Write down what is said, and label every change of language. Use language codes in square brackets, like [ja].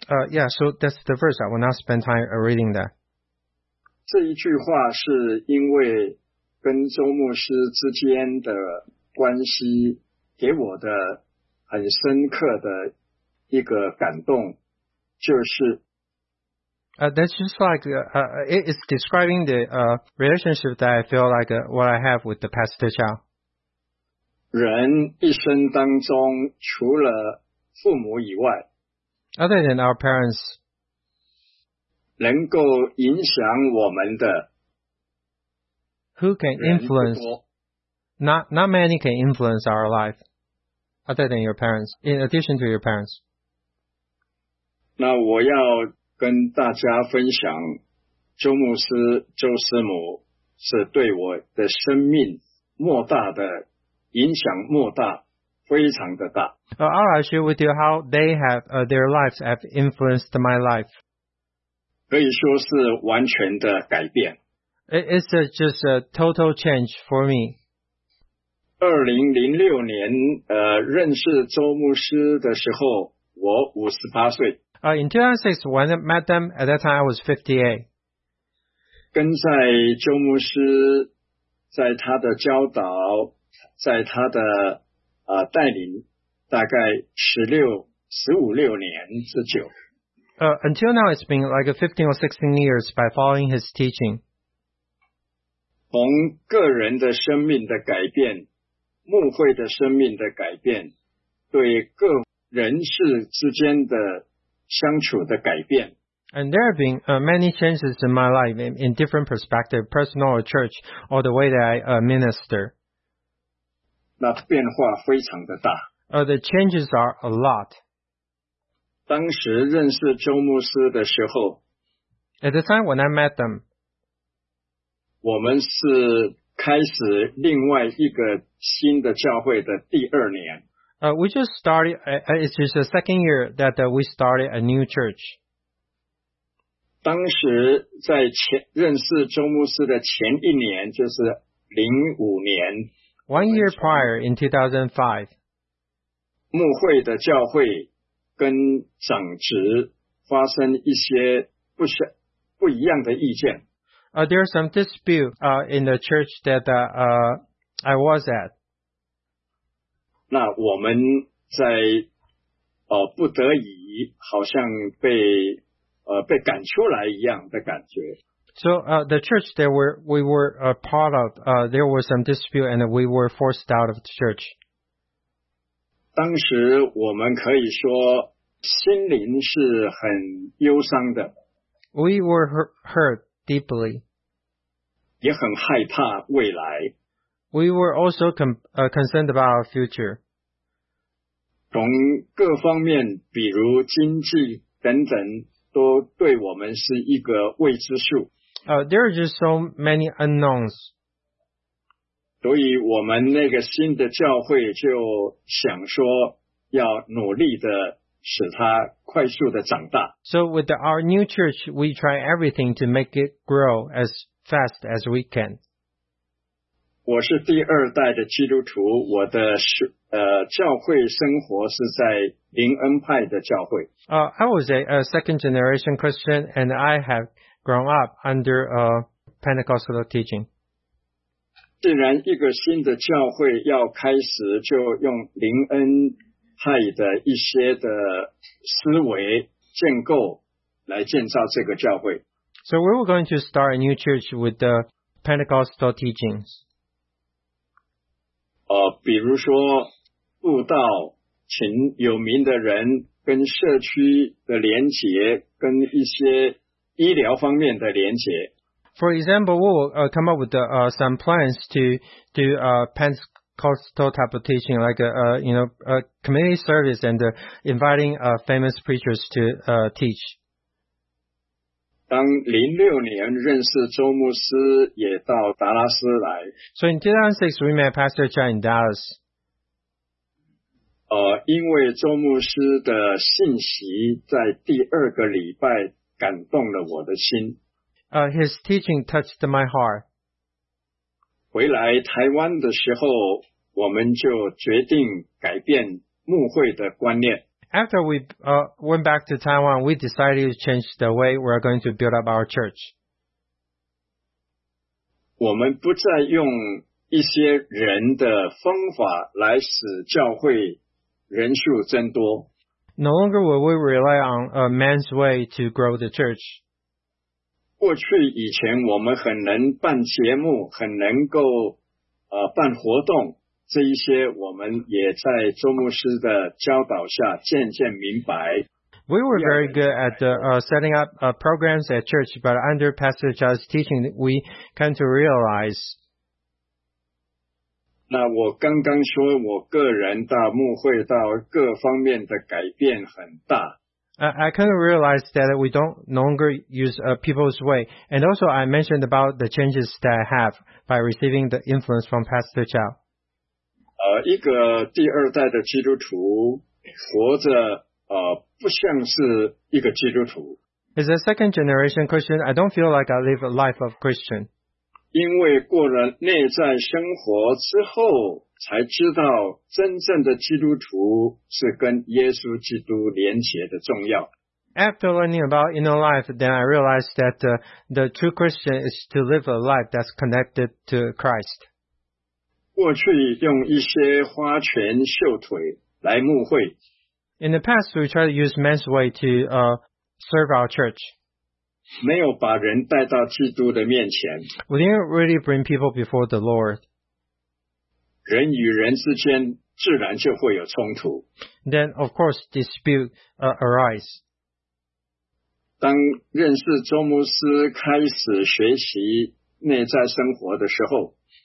[en] Yeah, so that's the verse. I will not spend time reading that. [zh] 这一句话是因为跟周牧师之间的关系给我的很深刻的一个感动，就是 [en] That's just like it's describing the relationship that I feel like what I have with the Pastor Chow. [zh] 人一生当中除了父母以外 [en] Other than our parents, [zh] 能够影响我们的 [en] ，Who can influence? Not many can influence our life, other than your parents. In addition to your parents. [zh] 那我要跟大家分享，周牧师、周师母是对我的生命莫大的影响，莫大，非常的大。 [en] I'll share with you how they have their lives have influenced my life. [zh] 可以说是完全的改变。 [en] It's just a total change for me. [zh] 2006年认识周牧师的时候，我58岁。 [en] In 2006, when I met them, at that time I was 58. [zh] 跟在周牧师，在他的教导，在他的带领，大概15-16年之久。 [en] Until now, it's been like 15 or 16 years by following his teaching. [zh] 从个人的生命的改变，牧会的生命的改变，对各人士之间的相处的改变。 [en] And there have been many changes in my life in different perspective, personal or church, or the way that I minister. [zh] 那变化非常的大。 [en] The changes are a lot. [zh] 当时认识周牧师的时候 [en] ，At the time when I met them， [zh] 我们是开始另外一个新的教会的第二年。 [en] We just started. It's just the second year that we started a new church. [zh] 当时在认识周牧师的前一年，就是05年。 [en] One year prior in 2005， [zh] 牧会的教会。跟长职发生一些不一样的意见。 [en] There's some dispute in the church that I was at. [zh] 那我们在不得已好像被被赶出来一样的感觉。 [en] So the church that we were a part of, there was some dispute and we were forced out of the church. [zh] 当时我们可以说心灵是很忧伤的。 [en] We were hurt deeply. [zh] 也很害怕未来。 [en] We were also concerned about our future. [zh] 从各方面比如经济等等都对我们是一个未知数。 [en] There are just so many unknowns. [zh] 所以我们那个新的教会就想说要努力的使它快速的长大。 [en] So with our new church, we try everything to make it grow as fast as we can. [zh] 我是第二代的基督徒，我的教会生活是在灵恩派的教会。 [en] I was a second generation Christian and I have grown up under Pentecostal teaching. [zh] 既然一个新的教会要开始，就用灵恩派的一些的思维建构来建造这个教会。 [en] So we were going to start a new church with the Pentecostal teachings. [zh] 比如说布道，请有名的人跟社区的连结，跟一些医疗方面的连结。 [en] For example, we'll come up with some plans to do Pentecostal type of teaching, like a community service and inviting famous preachers to teach. [zh] 当06年认识周牧师，也到达拉斯来。 [en] So in 2006, we met Pastor Chan in Dallas. [zh] 因为周牧师的信息在第二个礼拜感动了我的心。 [en] His teaching touched my heart. [zh] 回来台湾的时候，我们就决定改变牧会的观念。 [en] After we went back to Taiwan, we decided to change the way we're going to build up our church. [zh] 我们不再用一些人的方法来使教会人数增多。 [en] No longer will we rely on a man's way to grow the church. [zh] 过去以前我们很能办节目，很能够办活动，这一些我们也在周牧师的教导下渐渐明白。 [en] We were very good at setting up programs at church, but under Pastor Zhao's teaching, we came to realize. 那我刚刚说我个人到牧会到各方面的改变很大。 I kind of realized that we don't no longer use people's way. And also I mentioned about the changes that I have by receiving the influence from Pastor Zhao. [zh] 一个第二代的基督徒活着不像是一个基督徒。 [en] As a second generation Christian, I don't feel like I live a life of Christian. [zh] 因为过了内在生活之后才知道真正的基督徒是跟耶稣基督连结的重要。 [en] After learning about inner life, then I realized that the true Christian is to live a life that's connected to Christ. [zh] 过去用一些花拳绣腿来牧会。 [en] In the past, we tried to use men's way to serve our church. [zh] 没有把人带到基督的面前。 [en] We didn't really bring people before the Lord. [zh] 人与人之间自然就会有冲突。 [en] Then, of course, dispute arise. [zh] 当认识周牧师开始学习内在生活的时候。